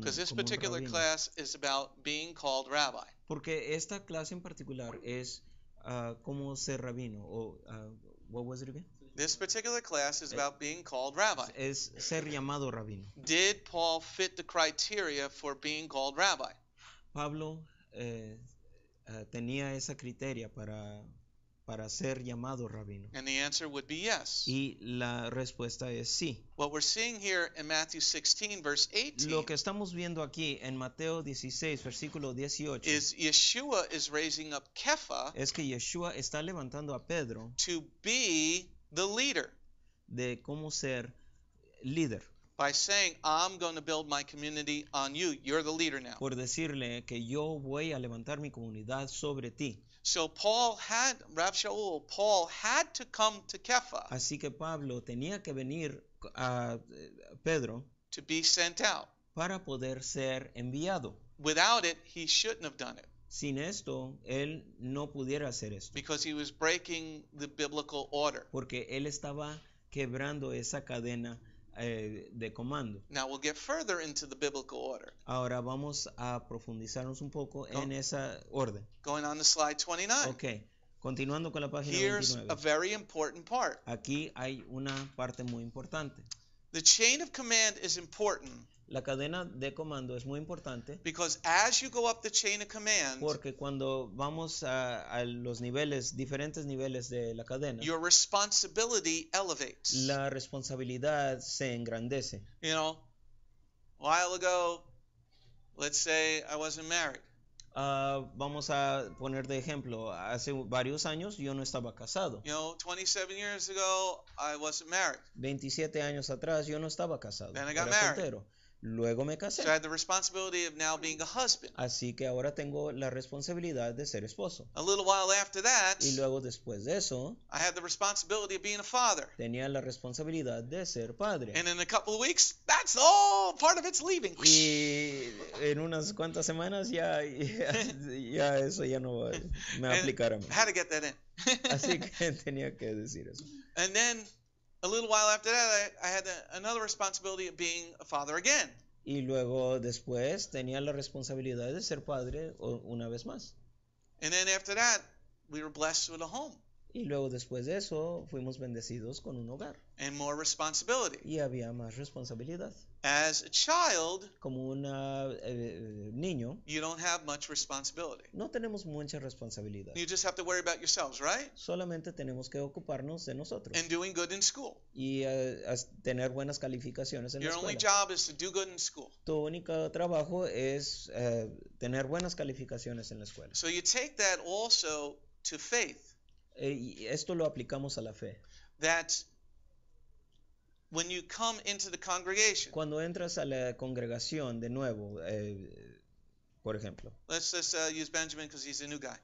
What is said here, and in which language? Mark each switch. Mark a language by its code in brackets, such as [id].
[en] Because this particular class is about being called rabbi. [es] Porque esta clase en particular es como ser rabino. [en] O, what was it again? This particular class is about being called rabbi. [es] Es ser llamado rabino. [en] Did Paul fit the criteria for being called rabbi? [es] Pablo tenía esa criteria para ser llamado rabino. [en] And the answer would be yes. [es] Y la respuesta es sí. [en] What we're seeing here in Matthew 16, verse 18, [es] lo que estamos viendo aquí en Mateo 16, versículo 18, [en] is Yeshua is raising up Kepha, [es] es que Yeshua está levantando a Pedro, [en] to be the leader. [es] De cómo ser líder. [en] By saying, I'm going to build my community on you. You're the leader now. [es] Por decirle que yo voy a levantar mi comunidad sobre ti. [en] So Paul had to come to Kepha. [es] Así que Pablo tenía que venir a Pedro. [en] To be sent out. [es] Para poder ser enviado. [en] Without it, he shouldn't have done it. [es] Sin esto, él no pudiera hacer esto. [en] Because he was breaking the biblical order. [es] Porque él estaba quebrando esa cadena de comando. [en] Now we'll get further into the biblical order. [es] Ahora vamos a profundizarnos un poco en esa orden. [en] Going on to slide 29. [es] Okay. Continuando con la página [en] Here's 29. A very important part. [es] Aquí hay una parte muy importante. [en] The chain of command is important. [es] La cadena de comando es muy importante. [en] Because as you go up the chain of command, [es] porque cuando vamos a los niveles, diferentes niveles de la cadena, [en] your responsibility elevates. [es] La responsabilidad se engrandece. [en] You know, a while ago, let's say I wasn't married. [es] Vamos a poner de ejemplo, hace varios años yo no estaba casado. [en] You know, 27 years ago, I wasn't married. [es] 27 años atrás yo no estaba casado. [en] Then I got married. Soltero. [es] Luego me casé. [en] So I had the responsibility of now being a husband. [es] Así que ahora tengo la responsabilidad de ser esposo. [en] A little while after that, [es] y luego después de eso, [en] I had the responsibility of being a father. [es] Tenía la responsabilidad de ser padre. [en] And in a couple of weeks, that's all part of it's leaving. [es] Y en unas cuantas semanas ya eso ya no va a aplicar a mí. [en] I had to get that in. [es] Así que tenía que decir eso. [en] And then a little while after that, I had another responsibility of being a father again. [es] Y luego después tenía la responsabilidad de ser padre una vez más. [en] And then after that, we were blessed with a home. [es] Y luego después de eso, fuimos bendecidos con un hogar. [en] And more responsibility. [es] Y había más responsabilidad. [en] As a child, [es] como una niño, [en] you don't have much responsibility. [es] No tenemos mucha responsabilidad. [en] You just have to worry about yourselves, right? [es] Solamente tenemos que ocuparnos de nosotros. [en] And doing good in school. [es] Y tener buenas calificaciones en la escuela. [en] Your only job is to do good in school. [es] Tu único trabajo es tener buenas calificaciones en la escuela. [en] So you take that also to faith. [es] Esto lo aplicamos a la fe. [en] That when you come into the congregation, [es] cuando entras a la congregación de nuevo, por ejemplo, [en] let's just use Benjamin because he's a new guy.